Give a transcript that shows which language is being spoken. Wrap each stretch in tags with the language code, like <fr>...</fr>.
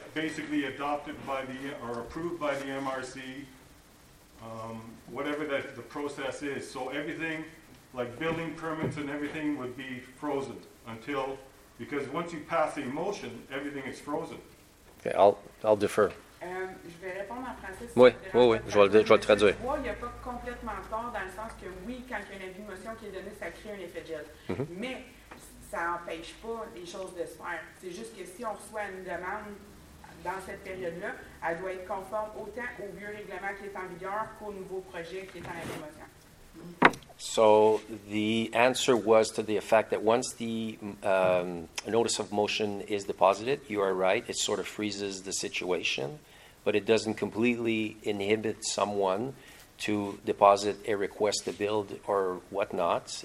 <en>Basically adopted by the, or approved by the MRC, whatever the process is. So everything, like building permits and everything, would be frozen until, because once you pass a motion, everything is frozen. Okay, I'll defer.</en> <fr>Je vais répondre en français. Oui, oui, oui, je vais le traduire. Moi, il n'y a pas complètement tort dans le sens que, oui, quand il y a une motion qui est donnée, ça crée un effet gel. Mm-hmm. Mais ça n'empêche pas les choses de se faire. C'est juste que si on reçoit une demande dans cette période-là, elle doit être conforme autant au vieux règlement qui est en vigueur qu'au nouveau projet qui est en motion.</fr> <en>So, the answer was to the effect that once the notice of motion is deposited, you are right, it sort of freezes the situation, but it doesn't completely inhibit someone to deposit a request to build or whatnot.</en>